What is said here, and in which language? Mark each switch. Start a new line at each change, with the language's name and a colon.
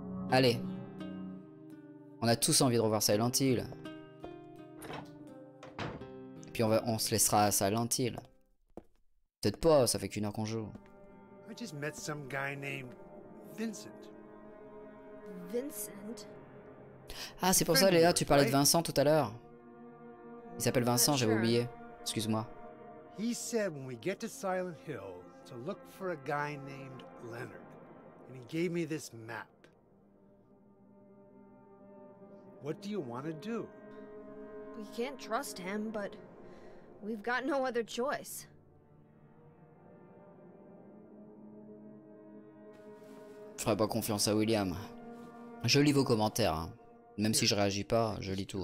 French: Allez. On a tous envie de revoir Silent Hill. Et puis on se laissera à Silent Hill. Peut-être pas, ça fait qu'une heure qu'on joue.
English: I just met some guy named Vincent.
French: Vincent? Ah, c'est pour ça, Léa, tu parlais de Vincent tout à l'heure. Il s'appelle Vincent, j'avais oublié. Excuse-moi.
English: He said when we get to Silent Hill to look for a guy named Leonard. And he gave me this map. What do you want to do? We can't trust him, but we've got no other choice.
French: Je ferai pas confiance à William. Je lis vos commentaires. Hein. Même si je réagis pas, je lis tout.